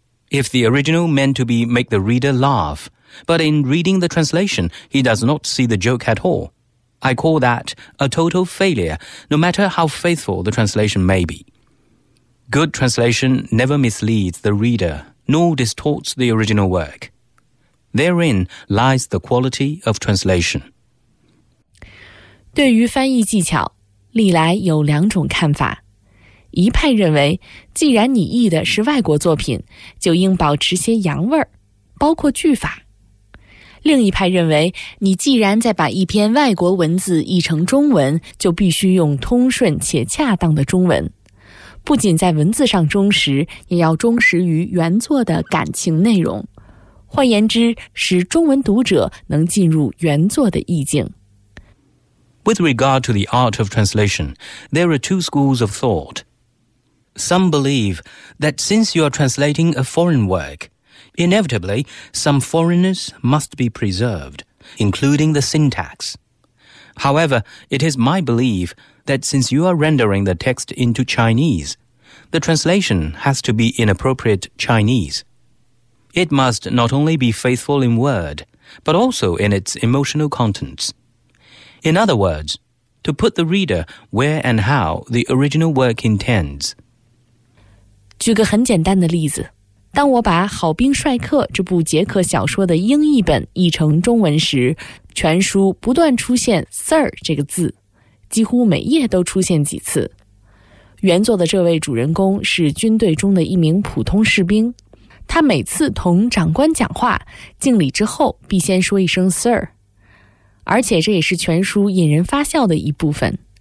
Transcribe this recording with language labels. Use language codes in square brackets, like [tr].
[en] If the original meant to be make the reader laugh, but in reading the translation, he does not see the joke at all, I call that a total failure, no matter how faithful the translation may be. Good translation never misleads the reader, nor distorts the original work. Therein lies the quality of translation. [zh] 对于翻译技巧，历来有两种看法。一派认为，既然你译的是外国作品，就应保持些洋味儿，包括句法。另一派认为，你既然再把一篇外国文字译成中文，就必须用通顺且恰当的中文，不仅在文字上忠实，也要忠实于原作的感情内容。换言之，使中文读者能进入原作的意境。 [en] With regard to the art of translation, there are two schools of thought. Some believe that since you are translating a foreign work, Inevitably, some foreignness must be preserved, including the syntax. However, it is my belief that since you are rendering the text into Chinese, the translation has to be in appropriate Chinese. It must not only be faithful in word, but also in its emotional contents. In other words, to put the reader where and how the original work intends. [zh] 举个很简单的例子，当我把《好兵帅克》这部捷克小说的英译本译成中文时，全书不断出现 Sir 这个字，几乎每页都出现几次。原作的这位主人公是军队中的一名普通士兵，他每次同长官讲话，敬礼之后必先说一声 Sir， 而且这也是全书引人发笑的一部分。